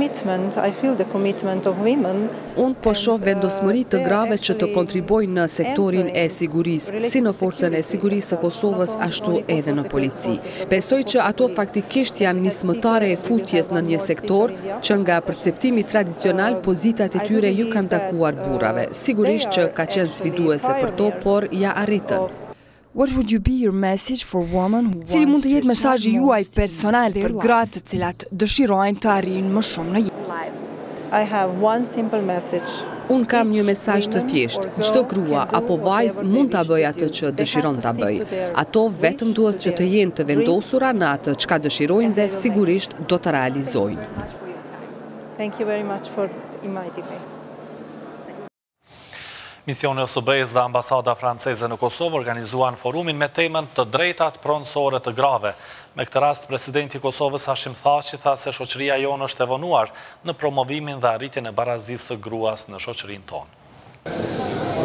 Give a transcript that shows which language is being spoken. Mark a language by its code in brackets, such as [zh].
[sq] Unë po shoh vendosmëri të grave që të kontribuojnë në sektorin e sigurisë, si në forcën e sigurisë së Kosovës, ashtu edhe në polici. Besoj që ato faktikisht janë nismëtare e futjes në një sektor që nga perceptimi tradicional pozitat e tyre ju kanë takuar burrave. Sigurisht që ka qenë sfiduese për to, por ja arritën. [en] What would you be your message for women who [sq] cili mund të jetë mesazhi juaj personal për gratë të cilat dëshirojnë të arrijnë më shumë në jetë? [en] I have one simple message. [sq] Un kam një mesazh të thjeshtë. Çdo grua apo vajzë mund ta bëjë atë që dëshiron ta bëjë. Ato vetëm duhet që të jenë të vendosura në atë çka dëshirojnë dhe sigurisht do të realizojnë. [en] Thank you very much for inviting me. [sq] Misioni OSBE-s dhe ambasada franceze në Kosovë organizuan forumin me temën të drejtat pronësore të grave. Me këtë rast, presidenti i Kosovës Hashim Thaçi tha se shoqëria jonë është e vonuar në promovimin dhe arritjen e barazisë së gruas në shoqërinë tonë.